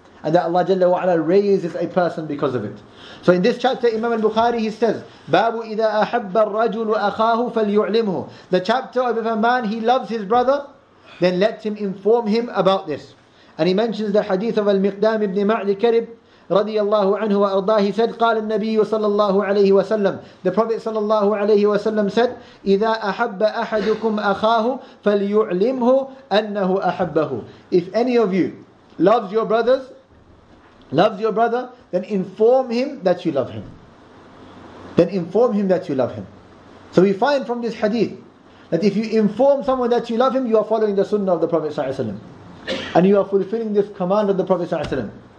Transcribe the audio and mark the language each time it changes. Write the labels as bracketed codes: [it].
[en] And that Allah jalla wa ala raises a person because of it. So in this chapter, Imam al-Bukhari, he says, [ar] بَابُ إِذَا أَحَبَّ الرَّجُلُ أَخَاهُ فَلْيُعْلِمْهُ. [en] The chapter of, if a man, he loves his brother, then let him inform him about this. And he mentions the hadith of al-Miqdam ibn Ma'li Karib, رضي الله عنه وأرضاه. He said, [ar] قال النبي صلى الله عليه وسلم. [en] The Prophet صلى الله عليه وسلم said, [ar] إذا أحب أحدكم أخاه فليعلمه أنه أحبه. [en] If any of you loves your brothers, loves your brother, then inform him that you love him. Then inform him that you love him. So we find from this hadith that if you inform someone that you love him, you are following the sunnah of the Prophet صلى الله عليه وسلم, and you are fulfilling this command of the Prophet صلى الله عليه وسلم.